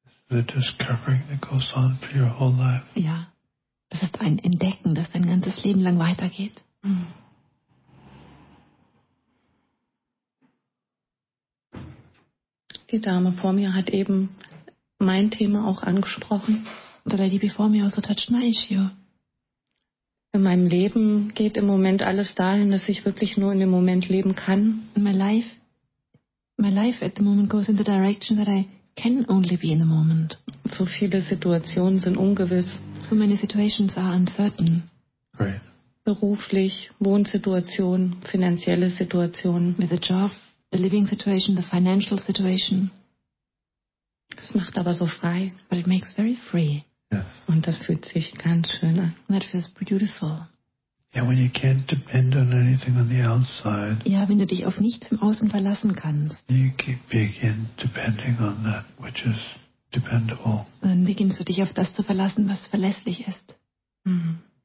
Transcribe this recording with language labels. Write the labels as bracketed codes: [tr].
[en] The discovering that goes on for your whole life. [de] Ja. Das ist ein Entdecken, das dein ganzes Leben lang weitergeht. Die Dame vor mir hat eben mein Thema auch angesprochen. [en] The lady before me also touched my issue. [de] In meinem Leben geht im Moment alles dahin, dass ich wirklich nur in dem Moment leben kann. [en] In my life at the moment goes in the direction that I can only be in the moment. [de] So viele Situationen sind ungewiss. [en] So many situations are uncertain. Right. [de] Beruflich, Wohnsituation, finanzielle Situation. [en] With a job, the living situation, the financial situation. [de] Es macht aber so frei. [en] But it makes very free. Yes. [de] Und das fühlt sich ganz schön an. [en] That feels beautiful. Yeah, when you can't depend on anything on the outside. [de] Ja, wenn du dich auf nichts im Außen verlassen kannst. [en] You keep begin depending on that which is dependable. [de] Dann beginnst du dich auf das zu verlassen, was verlässlich ist. Mm.